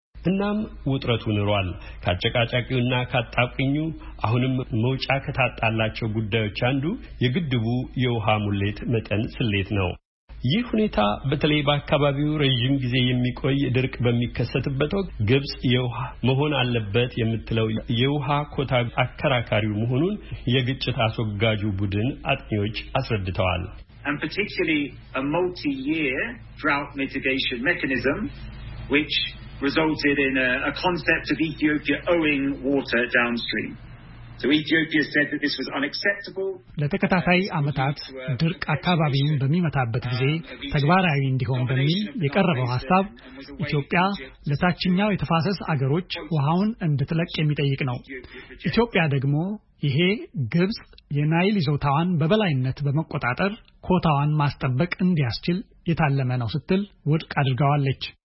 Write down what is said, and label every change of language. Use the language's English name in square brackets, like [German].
[Amharic] እናም ውጥረቱ ኑሯል። ካጨቃጫቂውና ካጣቂኙ አሁንም መውጫ ከታጣላቸው ጉዳዮች አንዱ የግድቡ የውሃ ሙሌት መጠን ስሌት ነው። ይህ ሁኔታ በተለይ በአካባቢው ረጅም ጊዜ የሚቆይ ድርቅ በሚከሰትበት ወቅት ግብጽ የውሃ መሆን አለበት የምትለው የውሃ ኮታ አከራካሪ መሆኑን የግጭት አስወጋጁ ቡድን አጥኚዎች አስረድተዋል። [English] And particularly a multi-year drought mitigation mechanism which resulted in a concept of Ethiopia owing water downstream. So Ethiopia said that this was unacceptable. [Amharic] ለተከታታይ አመታት ድርቅ አካባቢውን በሚመታበት ጊዜ ተግባራዊ እንዲሆን በሚል የቀረበው ሐሳብ ኢትዮጵያ ለታችኛው የተፋሰስ አገሮች ውሃውን እንድትለቅ የሚጠይቅ ነው። ኢትዮጵያ ደግሞ ይሄ ግብጽ የናይል ይዞታዋን በበላይነት በመቆጣጠር ኮታዋን ማስጠበቅ እንዲያስችል የታለመ ነው ስትል ውድቅ አድርጋዋለች።